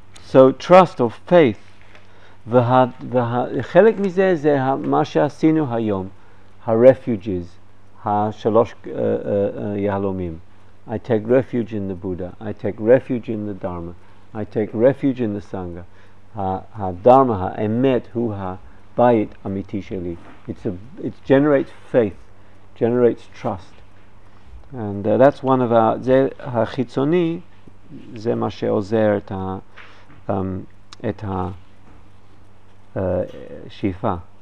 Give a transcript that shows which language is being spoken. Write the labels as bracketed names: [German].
[English] So trust or faith. [Hebrew] וחלק מזה זה מה שעשינו היום, ה-refugees, השלוש יהלומים. [English] I take refuge in the Buddha, I take refuge in the Dharma, I take refuge in the Sangha. [Hebrew] הדharma, האמת, הוא הבית האמיתי שלי. [English] It generates faith, generates trust. And that's one of our, [Hebrew] זה החיצוני, זה מה שעוזר את השאיפה.